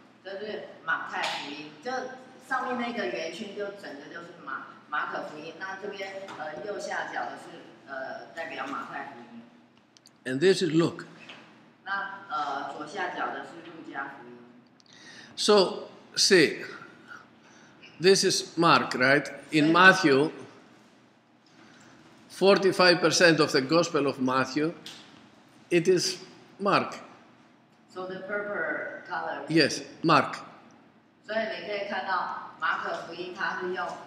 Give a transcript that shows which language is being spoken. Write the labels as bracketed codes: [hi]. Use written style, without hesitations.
[zh] 这是马太福音，这上面那个圆圈就整个就是马可福音。那这边右下角的是代表马太福音。 [en] And this is Luke. [zh] 那左下角的是路加福音。 [en] So see, this is Mark, right? In Matthew, 45% of the Gospel of Matthew, it is Mark. So the purple color. Yes, Mark. [zh] 所以你可以看到马可福音，它是用